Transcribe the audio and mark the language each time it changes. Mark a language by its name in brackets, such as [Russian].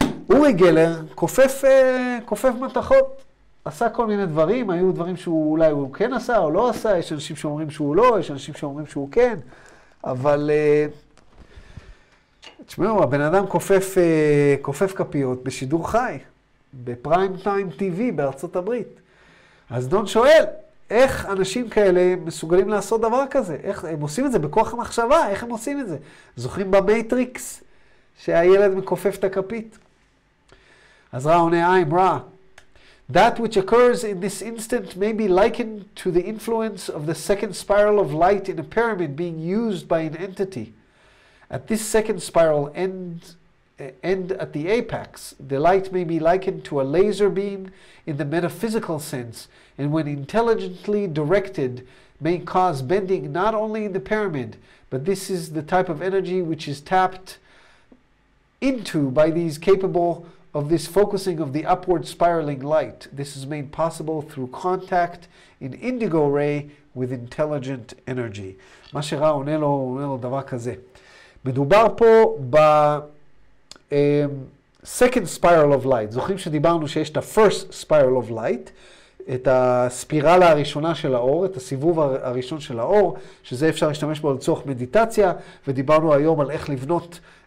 [Hebrew] אורי גלר כופף מתכות, עשה כל מיני דברים, היו דברים שהוא אולי הוא כן עשה או לא עשה, יש אנשים שאומרים שהוא לא, יש אנשים שאומרים שהוא כן, אבל תשמעו, הבן אדם כופף כפיות בשידור חי, בפריים טיים טיווי בארצות הברית. אז דון שואל, איך אנשים כאלה מסוגלים לעשות דבר כזה? איך הם עושים את זה? בכוח המחשבה, איך הם עושים את זה? זוכרים במייטריקס שהילד מכופף את הכפית? אז רא עונה, [English] I'm Ra. That which occurs in this instant may be likened to the influence of the second spiral of light in a pyramid being used by an entity. At this second spiral end at the apex, the light may be likened to a laser beam in the metaphysical sense, and when intelligently directed, may cause bending not only in the pyramid, but this is the type of energy which is tapped into by these capable of this focusing of the upward spiraling light. This is made possible through contact in indigo ray with intelligent energy. [Hebrew] מה שראה עונה לו, עונה לו דבר כזה. מדובר פה ב- [English] second spiral of light. [Hebrew] זוכרים שדיברנו שיש את ה- [English] first spiral of light, [Hebrew] את הספירלה הראשונה של האור, את הסיבוב הראשון של האור, שזה אפשר להשתמש בו לצורך מדיטציה, ודיברנו היום על איך לבנות